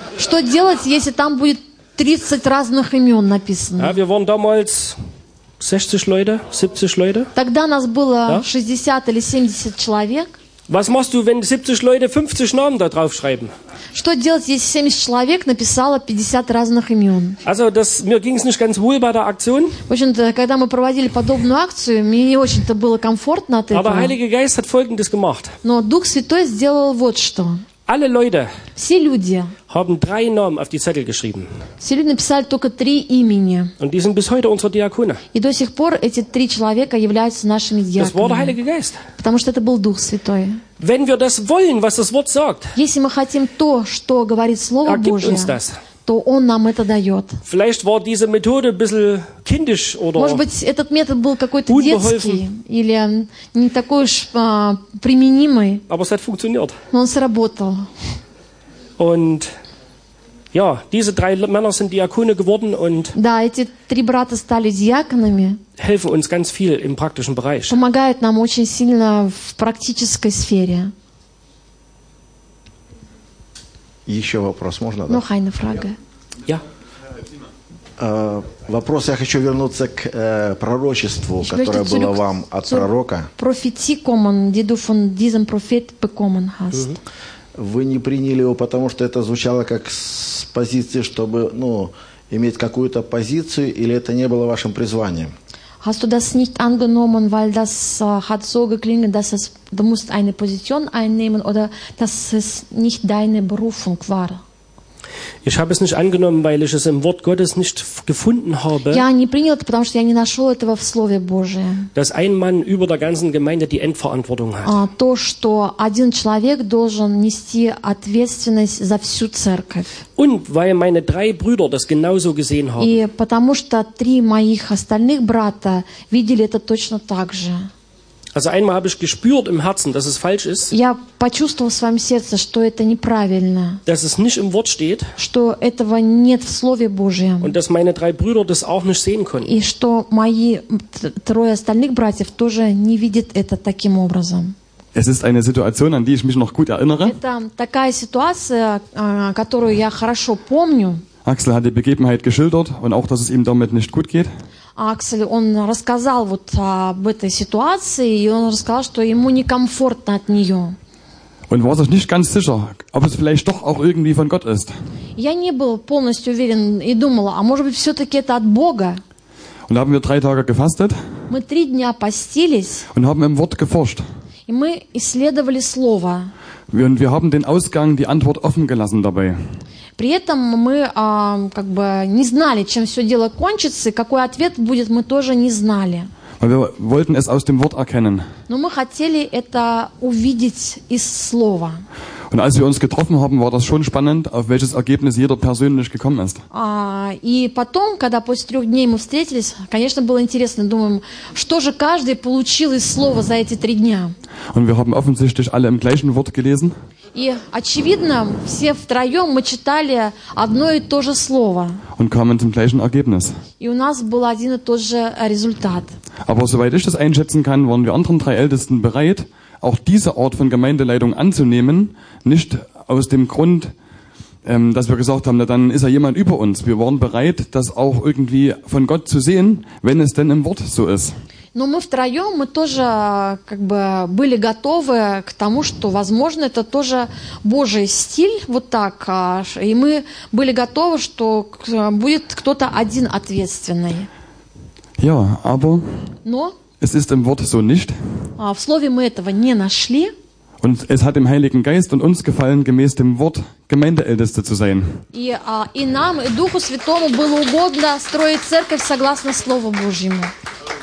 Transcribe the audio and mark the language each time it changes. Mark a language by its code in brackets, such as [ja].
[ru] Что делать, если там будет 30 разных имен написано? [de] Ja, wir waren damals 60 Leute, 70 Leute. [ru] Тогда нас было 60 или 70 человек. [de] Was machst du, wenn 70 Leute 50 Namen da draufschreiben? [ru] Что делать, если 70 человек написало 50 разных имен? [de] Also, das, mir ging's nicht ganz wohl bei der Aktion. [ru] В общем-то, когда мы проводили подобную акцию, мне не очень-то было комфортно от этого. [de] Aber Heilige Geist hat Folgendes gemacht. [ru] Но Дух Святой сделал вот что. [de] Alle Leute [ru] все люди [de] haben drei Namen auf die Zettel geschrieben. [ru] Все люди написали только три имени. [de] Und die sind bis heute unsere Diakone. [ru] И до сих пор эти три человека являются нашими диаконами. [de] Das war der Heilige Geist. [ru] Потому что это был Дух Святой. [de] Wenn wir das wollen, was das Wort sagt, [ru] если мы хотим то, что говорит Слово Божие, то Он нам это дает. [de] Vielleicht war diese Methode ein bisschen kindisch oder [ru] может быть, этот метод был какой-то детский или не такой уж применимый. [de] Aber es hat funktioniert. [ru] Но он сработал. [de] Und ja, diese drei Männer sind Diakone geworden und [ru] да, эти три брата стали диаконами. [de] Helfen uns ganz viel im praktischen Bereich. [ru] Помогают нам очень сильно в практической сфере. Еще вопрос можно? Ну, хай на фраге. Я. Вопрос, я хочу вернуться к пророчеству, [de] ich [ru] которое было вам от пророка. [de] Kommen, die du von diesem Prophet bekommen hast. [ru] Вы не приняли его, потому что это звучало как с позиции, чтобы ну, иметь какую-то позицию, или это не было вашим призванием? [de] Hast du das nicht angenommen, weil das hat so geklingen, dass es, du musst eine Position einnehmen oder dass es nicht deine Berufung war? Ich habe es nicht angenommen, weil ich es im Wort Gottes nicht gefunden habe. [ru] Я не принял это, потому что я не нашел этого в Слове Божьем. [de] Dass ein Mann über der ganzen Gemeinde die Endverantwortung hat. [ru] То, что один человек должен нести ответственность за всю церковь. [de] Und weil meine drei Brüder das genauso gesehen haben. [ru] И потому что три моих остальных брата видели это точно так же. [de] Also einmal habe ich gespürt im Herzen, dass es falsch ist. [ru] Я почувствовал в своем сердце, что это неправильно. [de] Dass es nicht im Wort steht. [ru] Что этого нет в Слове Божьем. [de] Und dass meine drei Brüder das auch nicht sehen konnten. [ru] И что мои трое остальных братьев тоже не видят это таким образом. [de] Es ist eine Situation, an die ich mich noch gut erinnere. [ru] Это такая ситуация, которую я хорошо помню. [de] Axel hat die Begebenheit geschildert und auch, dass es ihm damit nicht gut geht. [ru] Axel, он рассказал вот об этой ситуации, и он рассказал, что ему некомфортно от нее. [de] Und war sich nicht ganz sicher, ob es vielleicht doch auch irgendwie von Gott ist. [ru] Я не был полностью уверен и думал, а может быть, все-таки это от Бога? [de] Und haben wir drei Tage gefastet. [ru] Мы три дня постились. [de] Und haben im Wort geforscht. [ru] И мы исследовали Слово. [de] Und wir haben den Ausgang, die Antwort offen gelassen dabei. [ru] При этом мы как бы не знали, чем все дело кончится, и какой ответ будет, мы тоже не знали. [de] Wir wollten es aus dem Wort erkennen. [ru] Но мы хотели это увидеть из слова. [de] Und als wir uns getroffen haben, war das schon spannend, auf welches Ergebnis jeder persönlich gekommen ist. [ru] И потом, когда после трех дней мы встретились, конечно, было интересно, думаем, что же каждый получил из слова за эти три дня. [de] Und wir haben offensichtlich alle im gleichen Wort gelesen. [ru] И, очевидно, все втроем мы читали одно и то же слово. [de] Und kamen zum gleichen Ergebnis. [ru] И у нас был один и тот же результат. [de] Aber soweit ich das einschätzen kann, waren wir anderen drei Ältesten bereit, auch diese Art von Gemeindeleitung anzunehmen, nicht aus dem Grund, dass wir gesagt haben, na, dann ist ja jemand über uns. Wir waren bereit, das auch irgendwie von Gott zu sehen, wenn es denn im Wort so ist. [ru] Но мы втроем, мы тоже как бы были готовы к тому, что, возможно, это тоже Божий стиль, вот так. И мы были готовы, что будет кто-то один ответственный. [de] Ja, aber [ru] Но [de] es ist im Wort so nicht. [ru] В слове мы этого не нашли. [de] Und es hat dem Heiligen Geist und uns gefallen, gemäß dem Wort Gemeindeälteste zu sein. [ru] И нам, и Духу Святому было угодно строить церковь согласно Слову Божьему.